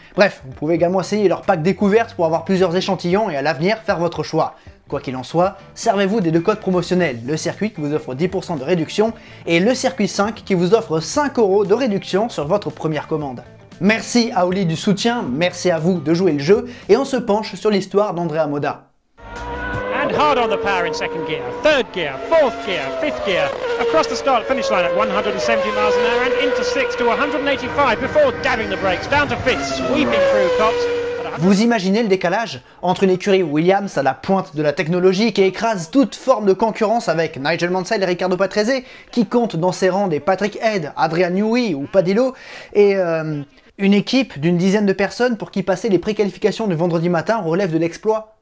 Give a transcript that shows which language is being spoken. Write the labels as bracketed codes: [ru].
[fr] Bref, vous pouvez également essayer leur pack découverte pour avoir plusieurs échantillons et à l'avenir faire votre choix. Quoi qu'il en soit, servez-vous des deux codes promotionnels, le circuit qui vous offre 10% de réduction et le circuit 5 qui vous offre 5€ de réduction sur votre première commande. Merci à Oli du soutien, merci à vous de jouer le jeu et on se penche sur l'histoire d'Andrea Moda. [en] And hard on the power in second gear, third gear, fourth gear, fifth gear, across the start finish line at 170 miles an hour and into sixth to 185 before dabbing the brakes, down to fifth, sweeping through cops. [fr] Vous imaginez le décalage entre une écurie Williams à la pointe de la technologie qui écrase toute forme de concurrence avec Nigel Mansell et Riccardo Patrese, qui comptent dans ses rangs des Patrick Head, Adrian Newey ou Paddy Lowe, et une équipe d'une dizaine de personnes pour qui passer les préqualifications du vendredi matin relève de l'exploit.